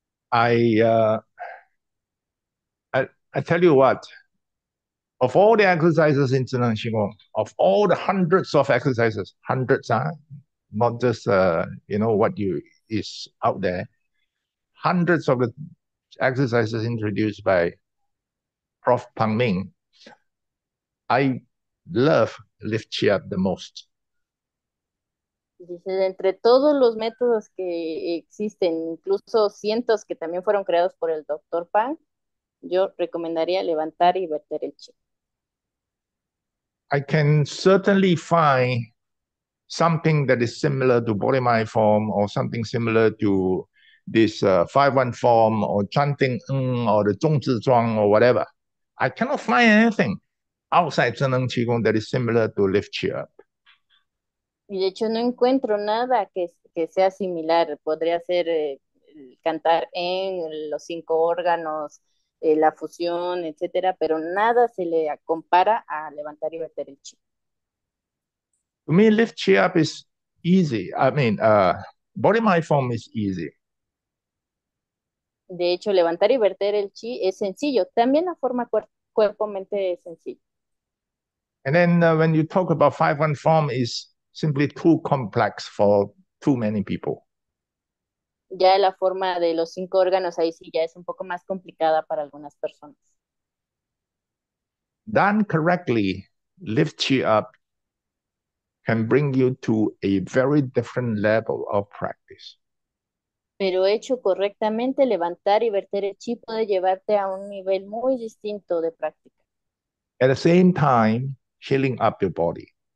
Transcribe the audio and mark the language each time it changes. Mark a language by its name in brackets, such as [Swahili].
[English] I tell you what, of all the exercises in Qigong, of all the hundreds of exercises, hundreds are not just what you is out there. Hundreds of the exercises introduced by Prof. Pang Ming, I love lift chi up the most. [Spanish] Dice, entre todos los métodos que existen, incluso cientos que también fueron creados por el doctor Pan, yo recomendaría levantar y verter el chi. [English] I can certainly find something that is similar to body mind form or something similar to this 5-1 form or chanting or the zhong zi zhuang or whatever. I cannot find anything outside Zheneng Qigong that is similar to lift chi up. [Spanish] Y de hecho no encuentro nada que sea similar. Podría ser cantar en los cinco órganos, la fusión, etcétera, pero nada se le compara a levantar y verter el chi. [English] To me, lift chi up is easy. I mean, body mind form is easy. [Spanish] De hecho, levantar y verter el chi es sencillo. También la forma cuerpo-mente es sencilla. [English] And then when you talk about 5-1 form, it's simply too complex for too many people. [Spanish] Ya la forma de los cinco órganos ahí sí ya es un poco más complicada para algunas personas. [English] Done correctly, lift you up can bring you to a very different level of practice. [Spanish] Pero hecho correctamente, levantar y verter el chi puede llevarte a un nivel muy distinto de práctica. [English] At the same time, healing up your body.